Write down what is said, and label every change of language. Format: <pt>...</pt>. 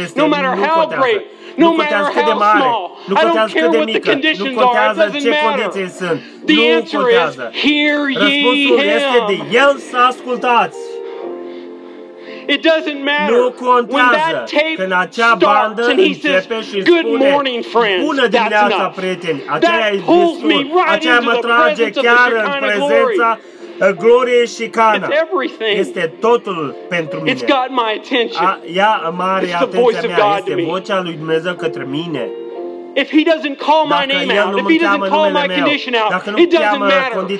<en>No matter how great, no matter how small, I don't care what the conditions are, it doesn't matter. The answer is, hear ye him.</en> <ro>Răspunsul este de El să ascultați.</ro> <en>It doesn't matter</en> <ro>nu contează</ro> <en>when that tape starts and he says, good morning, friends.</en> <ro>Bună dimineața, prieteni. Aceea e Iisus. Aceea mă trage chiar în prezența gloriei și cana.</ro> <en>It's everything.</en> <ro>Este totul pentru mine.</ro> <en>It's got my attention.</en> <ro>Ia mare atenția mea. Este vocea lui Dumnezeu către mine.</ro> <en>If he doesn't call my name out, if he doesn't call my condition out, it doesn't matter.</en>